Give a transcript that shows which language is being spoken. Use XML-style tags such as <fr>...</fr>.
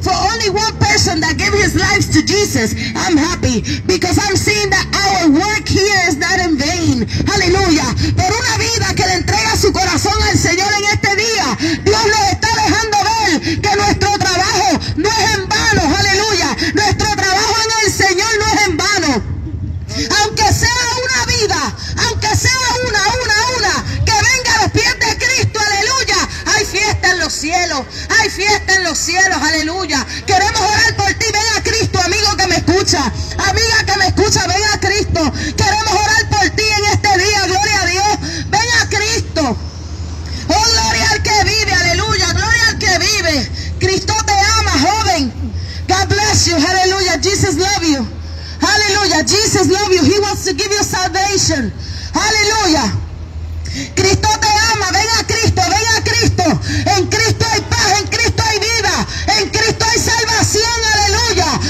<en>For only one person that gave his life to Jesus, I'm happy. Because I'm seeing that our work here is not in vain.</en> <es>Aleluya. Por una vida que le entrega su corazón al Señor en este día, Dios le está dejando ver que nuestro trabajo no es en vano. Aleluya. Nuestro trabajo en el Señor no es en vano. Aunque sea una vida, aunque sea una, que venga a los pies de Cristo, aleluya. Hay fiesta en los cielos, hay fiesta en los cielos, aleluya. Queremos orar por ti, ven a Cristo, amigo que me escucha, amiga que me escucha, ven a Cristo. Queremos orar por ti en este día, gloria a Dios, ven a Cristo. Oh, gloria al que vive, aleluya, gloria al que vive. Cristo te ama, joven.</es> <en>God bless you, aleluya, Jesus love you. Aleluya, Jesus love you, he wants to give you salvation.</en> <es>Aleluya. Cristo te ama, ven a Cristo, ven a Cristo. En Cristo hay paz, en Cristo hay vida, en Cristo hay salvación, aleluya.</es>